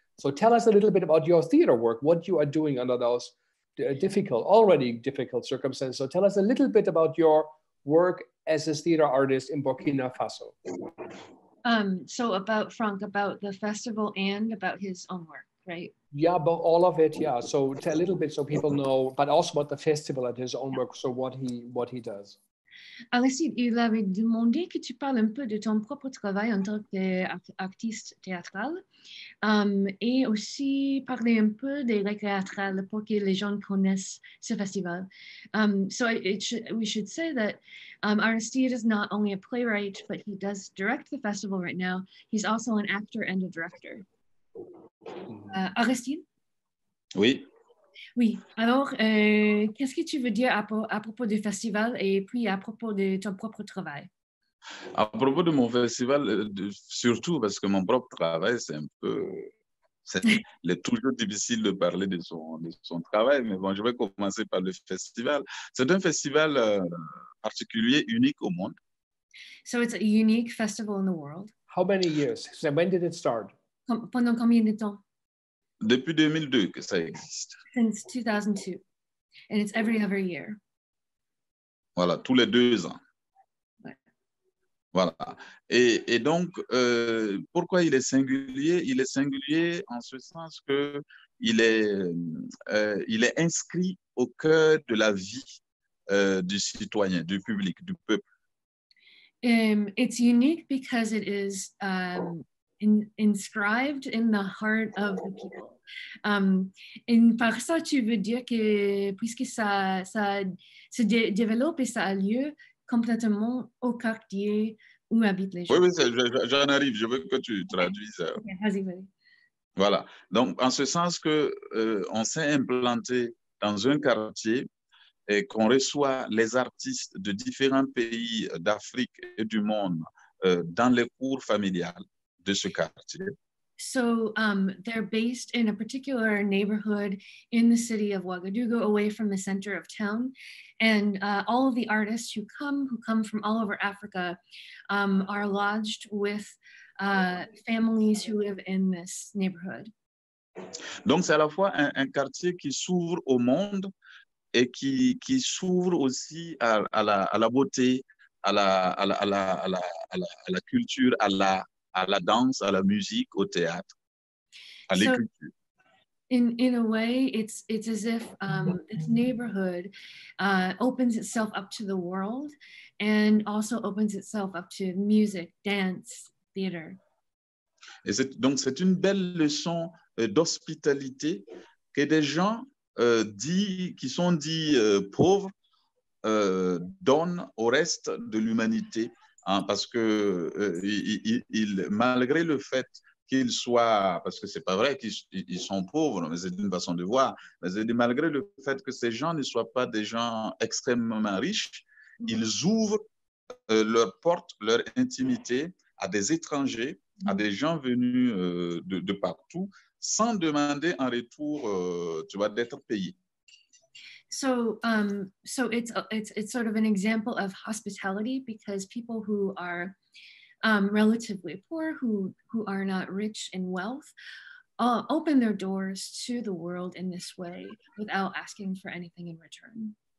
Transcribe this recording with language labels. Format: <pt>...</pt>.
<en>So tell us a little bit about your theater work, what you are doing under those already difficult circumstances. So tell us a little bit about your work as a theater artist in Burkina Faso. So about Frank, about the festival and about his own work, right? Yeah, but all of it, yeah. So tell a little bit so people know, but also about the festival and his own work, so what he does.</en> <fr>Aristide, il avait demandé que tu parles un peu de ton propre travail en tant qu'artiste théâtral et aussi parler un peu des récréatrales pour que les gens connaissent ce festival.</fr> <en>So we should say that Aristide is not only a playwright, but he does direct the festival right now. He's also an actor and a director. Aristide?</en> <fr>Oui. Oui. Alors, qu'est-ce que tu veux dire à propos du festival et puis à propos de ton propre travail? À propos de mon festival, surtout parce que mon propre travail, c'est un peu... il est toujours difficile de parler de son travail, mais bon, je vais commencer par le festival. C'est un festival particulier, unique au monde.</fr> <en>So it's a unique festival in the world. How many years? So when did it start?</en> <fr>Pendant combien de temps? Depuis 2002 que ça existe.</fr> <en>Since 2002. And it's every other year.</en> <fr>Voilà, tous les deux ans. Ouais. Voilà. Et donc, pourquoi il est singulier? Il est singulier en ce sens qu'il est, inscrit au cœur de la vie du citoyen, du public, du peuple.</fr> <en>It's unique because it is inscribed in the heart of the people.</en> <fr>Et par ça, tu veux dire que puisque ça se développe et ça a lieu complètement au quartier où habitent les gens. Oui, oui, j'en arrive. Je veux que tu traduises. Okay, vas-y, vas-y. Voilà. Donc, en ce sens que on s'est implanté dans un quartier et qu'on reçoit les artistes de différents pays d'Afrique et du monde dans les cours familiales de ce quartier.</fr> <en>So, they're based in a particular neighborhood in the city of Ouagadougou, away from the center of town. And all of the artists who come from all over Africa, are lodged with families who live in this neighborhood.</en> <fr>Donc, c'est à la fois un quartier qui s'ouvre au monde et qui s'ouvre aussi à la beauté, à la culture, à la danse, à la musique, au théâtre, à l'écriture.</fr> <en>In a way, it's as if this neighborhood opens itself up to the world and also opens itself up to music, dance, theater.</en> <fr>Et c'est une belle leçon d'hospitalité que des gens qui sont dits pauvres donnent au reste de l'humanité. Hein, parce que malgré le fait qu'ils soient, parce que c'est pas vrai qu'ils sont pauvres, mais c'est une façon de voir, mais malgré le fait que ces gens ne soient pas des gens extrêmement riches, ils ouvrent leur porte, leur intimité à des étrangers, à des gens venus de partout, sans demander en retour, tu vois, d'être payé.</fr> <en>So, it's sort of an example of hospitality because people who are relatively poor, who are not rich in wealth, open their doors to the world in this way without asking for anything in return.</en>